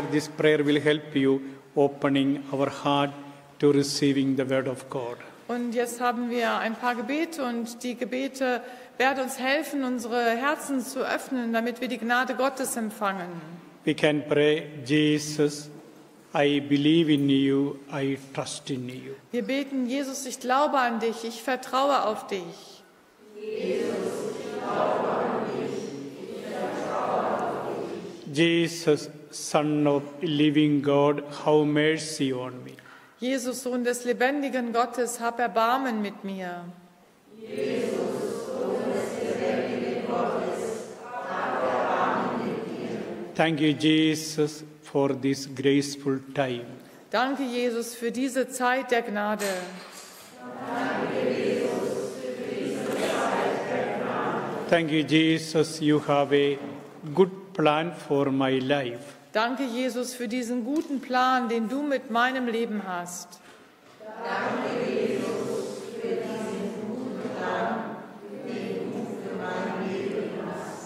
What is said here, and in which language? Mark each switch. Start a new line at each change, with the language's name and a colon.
English: This prayer will help you opening our heart to receiving the word of God.
German: Und jetzt haben wir ein paar Gebete und die Gebete werden uns helfen, unsere Herzen zu öffnen, damit wir die Gnade Gottes empfangen.
English: We can pray, Jesus, I believe in you, I trust in you.
German: Wir beten, Jesus, ich glaube an dich, ich vertraue auf dich.
English: Jesus, Son of Living God, have mercy on me.
German: Jesus, Sohn des lebendigen Gottes, hab Erbarmen mit mir.
English: Thank you, Jesus, for this graceful time.
German: Danke, Jesus, für diese Zeit der Gnade.
English: Thank you, Jesus, you have a good plan for my life.
German: Danke, Jesus, für diesen guten Plan, den du mit meinem Leben hast. Danke, Jesus, für diesen guten Plan, den du für mein Leben hast.